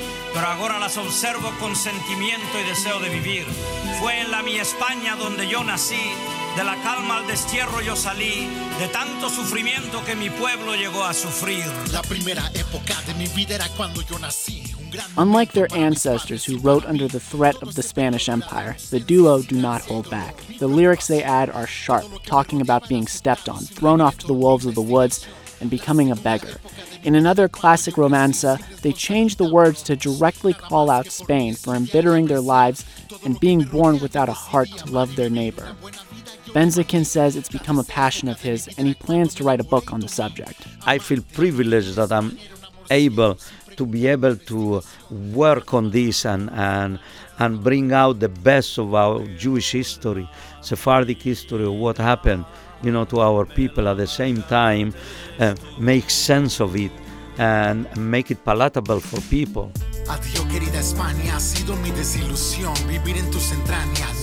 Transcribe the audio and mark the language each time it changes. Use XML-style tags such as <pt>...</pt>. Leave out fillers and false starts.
<lad>Pero ahora las observo con sentimiento y deseo de vivir. Fue en la mi España donde yo nací. De la calma al destierro yo salí. De tanto sufrimiento que mi pueblo llegó a sufrir. La primera época de mi vida era cuando yo nací.</lad> <en>Unlike their ancestors who wrote under the threat of the Spanish Empire, the duo do not hold back. The lyrics they add are sharp, talking about being stepped on, thrown off to the wolves of the woods, and becoming a beggar. In another classic romanza, they change the words to directly call out Spain for embittering their lives and being born without a heart to love their neighbor. Benzikin says it's become a passion of his, and he plans to write a book on the subject. I feel privileged that I'm able to be able to work on this and bring out the best of our Jewish history, Sephardic history of what happened, you know, to our people, at the same time make sense of it and make it palatable for people.</en> <lad>Adiós, querida España, ha sido mi desilusión vivir en tus entrañas.</lad>